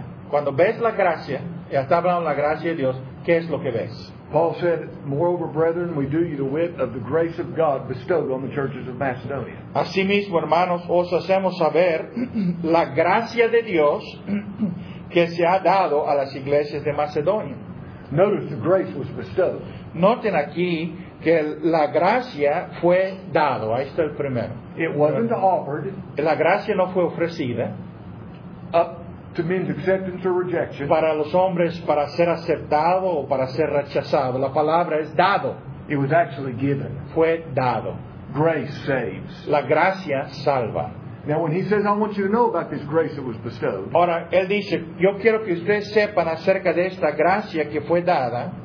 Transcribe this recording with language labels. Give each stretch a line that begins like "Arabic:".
Spanish: Cuando ves la gracia, y está hablando de la gracia de Dios, ¿qué es lo que ves?
English: Paul said, "Moreover, brethren, we do you the wit of the grace of God bestowed on the churches of Macedonia."
Spanish: Asimismo, hermanos, os hacemos saber la gracia de Dios que se ha dado a las iglesias de Macedonia.
English: Notice the grace was bestowed.
Spanish: Noten aquí que la gracia fue dado. Ahí está el primero.
English: It wasn't offered.
Spanish: La gracia no fue ofrecida.
English: To men's acceptance or rejection.
Spanish: Para los hombres, para ser aceptado o para ser rechazado. La palabra es dado.
English: It was actually given.
Spanish: Fue dado.
English: Grace saves.
Spanish: La gracia salva.
English: Now when he says, I want you to know about this grace that was bestowed.
Spanish: Ahora, él dice, yo quiero que ustedes sepan acerca de esta gracia que fue dada.